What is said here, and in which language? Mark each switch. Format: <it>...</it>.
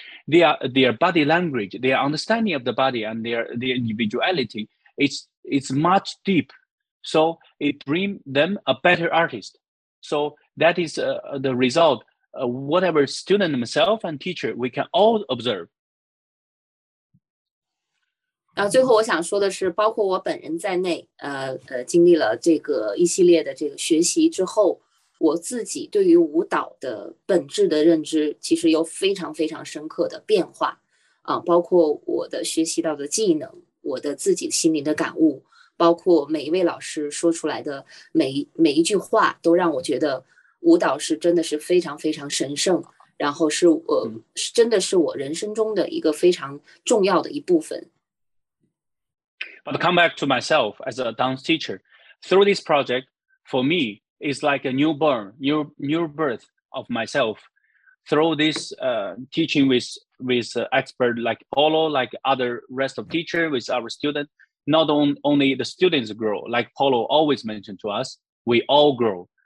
<en>Their body language, their understanding of the body and their individuality, it's much deeper. So it brings them a better artist. So that is the result. Whatever student themselves and teacher, we can all observe.</en> <zh>最后我想说的是，包括我本人在内，经历了这个一系列的这个学习之后，我自己对于舞蹈的本质的认知其实有非常非常深刻的变化。包括我的学习到的技能，我的自己心灵的感悟。包括每一位老师说出来的每一句话都让我觉得舞蹈是真的是非常非常神圣，然后是我真的是我人生中的一个非常重要的一部分。</zh> <en>But come back to myself as a dance teacher, through this project, for me, it's like a new birth of myself. Through this teaching with expert like Paulo, like other rest of teacher with our student,Not only the students grow, like Paulo always mentioned to us, we all grow.</en>